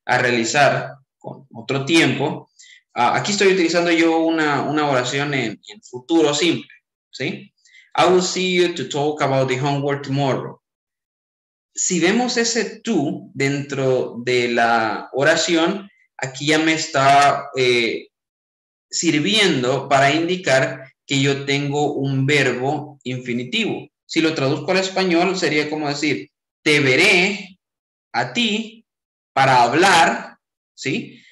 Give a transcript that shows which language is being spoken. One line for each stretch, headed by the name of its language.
Spanish: A realizar con otro tiempo. Aquí estoy utilizando yo una oración en futuro simple, ¿sí?
English: I will see you to talk about the homework tomorrow.
Spanish: Si vemos ese tú dentro de la oración, aquí ya me está sirviendo para indicar que yo tengo un verbo infinitivo. Si lo traduzco al español, sería como decir, te veré a ti para hablar, ¿sí?